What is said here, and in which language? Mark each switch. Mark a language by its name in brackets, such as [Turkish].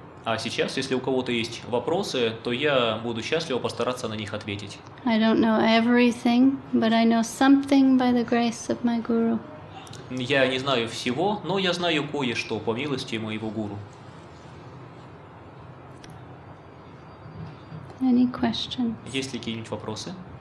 [Russian] А сейчас, если у кого-то есть вопросы, то я буду счастливо постараться на них ответить. [English] I don't know everything, but I know something by the grace of my guru. [Russian] Я не знаю всего, но я знаю кое-что по милости моего гуру. [English] Any questions? [Russian] Есть ли какие-нибудь вопросы?